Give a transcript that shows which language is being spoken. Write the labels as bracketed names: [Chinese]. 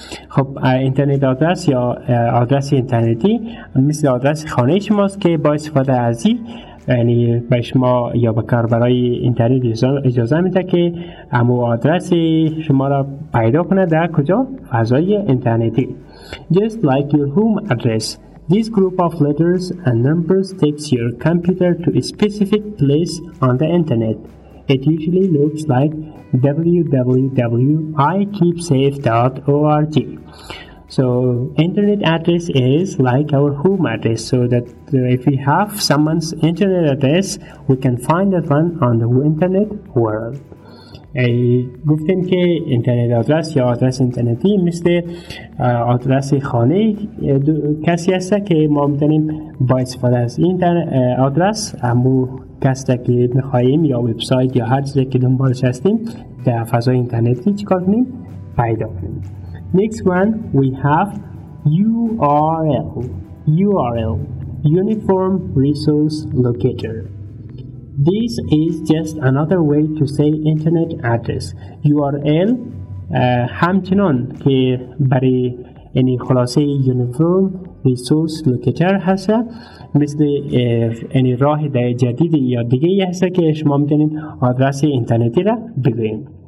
[Persian] خب اینترنت آدرس یا آدرس اینترنتی مثل آدرس خانه شماست که با استفاده از این یعنی به شما یا به کاربرای اینترنت اجازه میده که امو آدرس شما را پیدا کنه در کجا؟ فضای اینترنتی. [English] Just like your home address. This group of letters and numbers takes your computer to a specific place on the internet. It usually looks like www.ikeepsafe.org. So, internet address is like our home address, so that if we have someone's internet address, we can find that one on the internet world. [Persian] گفتیم که اینترنت آدرس یا آدرس اینترنتی مثل آدرس خانه کسی هست که ما میتونیم با استفاده از آدرس همو کسی که میخواییم یا وبسایت یا هر چیزی که دنبالش هستیم در فضای اینترنتی چیکار کنیم؟ پیدا کنیم. [English] Next one we have URL, Uniform Resource Locator. This is just another way to say internet address. [Persian] URL همچنان که برای یعنی خلاصه Uniform Resource Locator هست، مثل یعنی راه جدید یا دیگه ای هست که شما میتونید آدرس اینترنتی را بگوییم.